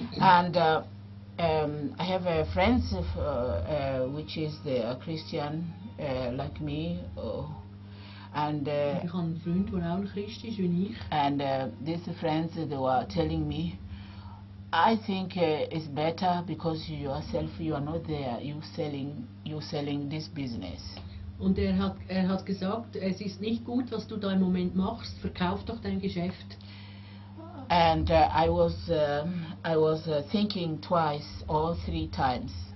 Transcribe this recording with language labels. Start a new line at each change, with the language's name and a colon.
English: I have a friend which is a Christian like me, and this friend they were telling me, I think it's better because yourself you are not there. You selling this business.
German: Und er hat gesagt, es ist nicht gut, was du da im Moment machst. Verkauf doch dein Geschäft.
English: And I was thinking twice or three times.